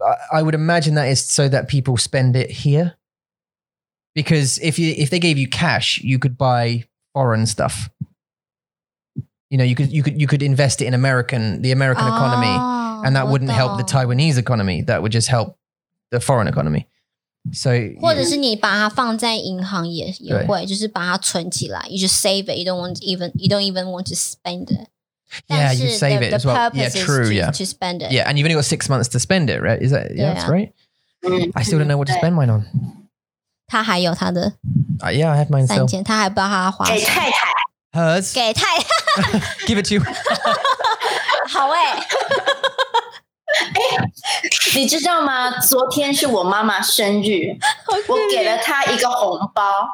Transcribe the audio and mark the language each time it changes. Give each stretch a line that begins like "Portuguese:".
English: I would imagine that is so that people spend it here. Because if they gave you cash, you could buy foreign stuff. You know, you could invest it in the American economy, and that wouldn't help the Taiwanese economy. That would just help the foreign economy. So,
Chinese: 或者是你把它放在银行也会，就是把它存起来。
English: You just save it. You don't even want to spend it. Yeah, you save it as well. Yeah, true. Yeah, to spend it. Yeah, and you've only got 6 months to spend it, right? Is that yeah? That's right. I still don't know what to spend mine on.
Chinese: 他还有他的.
English: Yeah, I have mine still.
Chinese: 三千，他还不知道他花。给太太.
English: Hers.
Chinese: 给太.
English: Give it to you.
Chinese: 好哎. 哎，你知道吗？昨天是我妈妈生日， 我给了她一个红包。